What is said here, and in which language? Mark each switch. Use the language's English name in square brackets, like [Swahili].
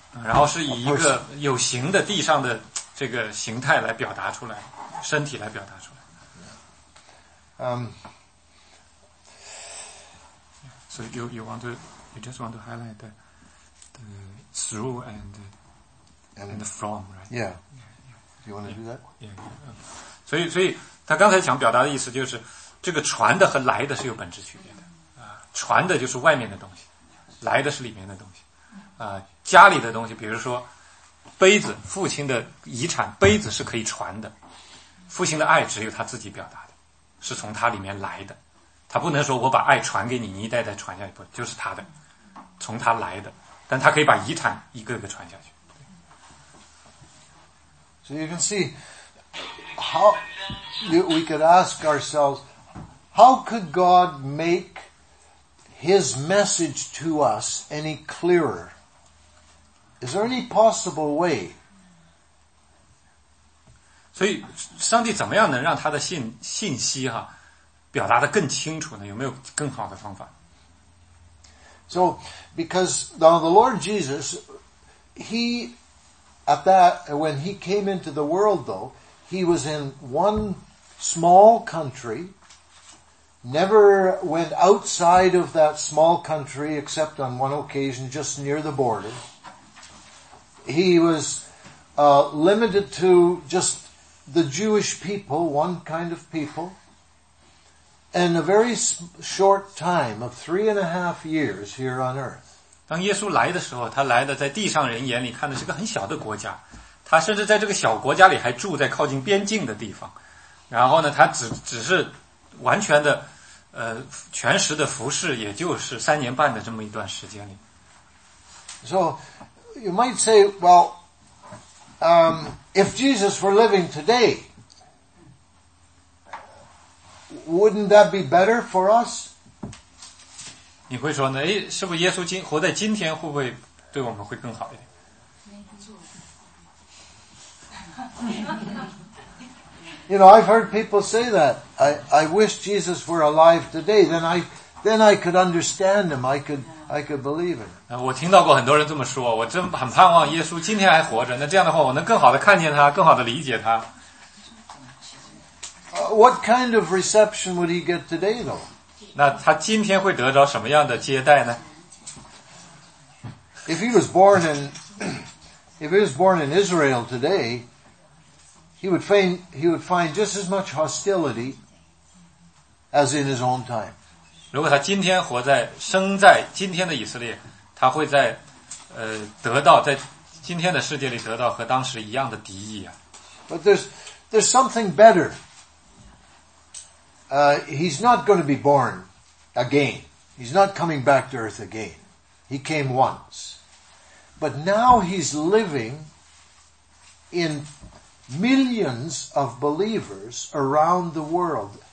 [Chinese] 然后是以一个有形的地上的这个形态来表达出来，身体来表达出来。 [English] So you just want to highlight the through and the from, right? Yeah. Do you want to do that? Yeah. [Chinese] 所以他刚才想表达的意思就是，这个传的和来的是有本质区别的。传的就是外面的东西，来的是里面的东西。家里的东西，比如说杯子，父亲的遗产，杯子是可以传的。父亲的爱只有他自己表达的，是从他里面来的。他不能说我把爱传给你，你一代代传下去，就是他的，从他来的，但他可以把遗产一个个传下去。 [English] So you can see how we could ask ourselves, how could God make His message to us any clearer? Is there any possible way? [Chinese] 所以，上帝怎么样能让他的信息哈？表达得更清楚呢？有没有更好的方法 [English] ？So, because now the Lord Jesus, he at that when he came into the world, though he was in one small country, never went outside of that small country except on one occasion, just near the border. He was limited to just the Jewish people, one kind of people. In a very short time of 3.5 years here on earth. [Chinese] 当耶稣来的时候，他来的在地上人眼里看的是个很小的国家，他甚至在这个小国家里还住在靠近边境的地方。然后呢，他只是完全的，全时的服侍，也就是3年半的这么一段时间里。 [English] So you might say, well, if Jesus were living today. Wouldn't that be better for us? [Chinese] 你会说呢？哎，是不是耶稣活在今天，会不会对我们会更好一点？ [English] You know, I've heard people say that. I wish Jesus were alive today. Then I could understand him. I could believe him. [Chinese] 我听到过很多人这么说。我真很盼望耶稣今天还活着。那这样的话，我能更好的看见他，更好的理解他。 [English] What kind of reception would he get today, though? [Chinese] 那他今天会得着什么样的接待呢 [English] ？If he was born in Israel today, he would find just as much hostility as in his own time. [Chinese] 如果他今天活在生在今天的以色列，他会在得到在今天的世界里得到和当时一样的敌意啊。 [English] But there's something better. He's not going to be born again. He's not coming back to earth again. He came once. But now he's living in millions of believers around the world.